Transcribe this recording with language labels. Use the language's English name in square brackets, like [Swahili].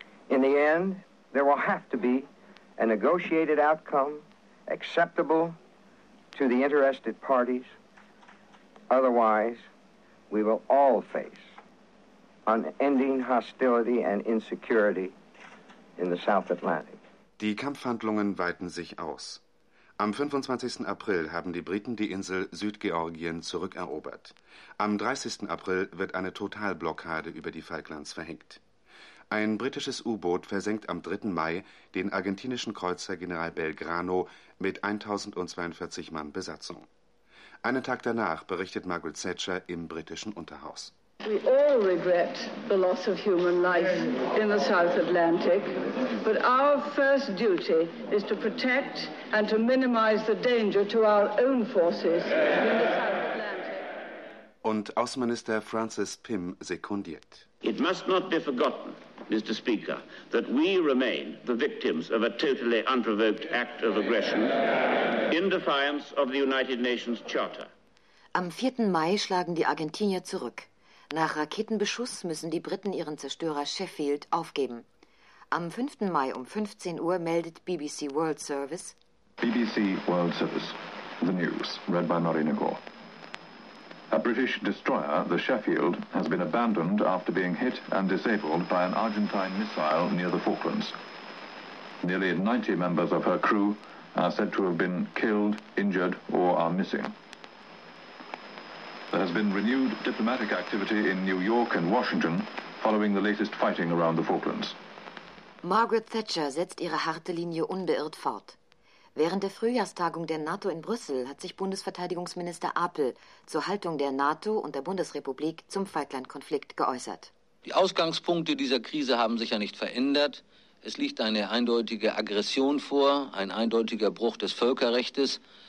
[English] In the end, there will have to be a negotiated outcome acceptable to the interested parties. Otherwise, we will all face unending hostility and insecurity in the South Atlantic. [German] Die Kampfhandlungen weiten sich aus. Am 25. April haben die Briten die Insel Südgeorgien zurückerobert. Am 30. April wird eine Totalblockade über die Falklands verhängt. Ein britisches U-Boot versenkt am 3. Mai den argentinischen Kreuzer General Belgrano mit 1042 Mann Besatzung. Einen Tag danach berichtet Margaret Thatcher im britischen Unterhaus. [English] We all regret the loss of human life in the South Atlantic, but our first duty is to protect and to minimize the danger to our own forces in the South Atlantic. [German] Und Außenminister Francis Pym sekundiert. [English] It must not be forgotten, Mr. Speaker, that we remain the victims of a totally unprovoked act of aggression in defiance of the United Nations Charter. [German] Am 4. Mai schlagen die Argentinier zurück. Nach Raketenbeschuss müssen die Briten ihren Zerstörer Sheffield aufgeben. Am 5. Mai um 15 Uhr meldet BBC World Service. [English] BBC World Service, the news, read by Marina Gore. A British destroyer, the Sheffield, has been abandoned after being hit and disabled by an Argentine missile near the Falklands. Nearly 90 members of her crew are said to have been killed, injured or are missing. There has been renewed diplomatic activity in New York and Washington following the latest fighting around the Falklands. [German] Margaret Thatcher setzt ihre harte Linie unbeirrt fort. Während der Frühjahrstagung der NATO in Brüssel hat sich Bundesverteidigungsminister Apel zur Haltung der NATO und der Bundesrepublik zum Falklandkonflikt geäußert. Die Ausgangspunkte dieser Krise haben sich ja nicht verändert. Es liegt eine eindeutige Aggression vor, ein eindeutiger Bruch des Völkerrechts.